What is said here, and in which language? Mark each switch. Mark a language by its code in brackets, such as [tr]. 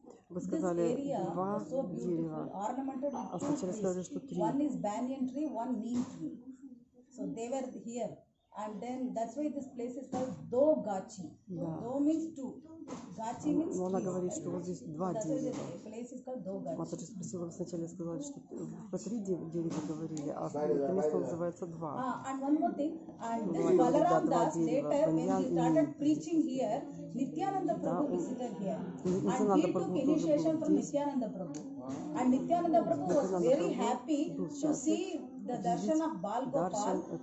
[ru] Вы сказали два дерева, а сначала сказали, что три. [en] One is banyan tree, one neem tree. So they were here. And then that's why this place is called Do Gachi. Do means two. Gachi means [ru] three. Она говорит, что вот здесь два дерева. [en] That's why this place is called Do Gachi. [ru] Мы тоже спросили, вы сначала сказали, что по три дерева говорили, а это место называется два. [en] And one more thing. And this Balaram Das, later when he started preaching here, Nityananda Prabhu visited here. And he took initiation from Nityananda Prabhu. And Nityananda Prabhu was very happy to see the darshan of Bal Gopal.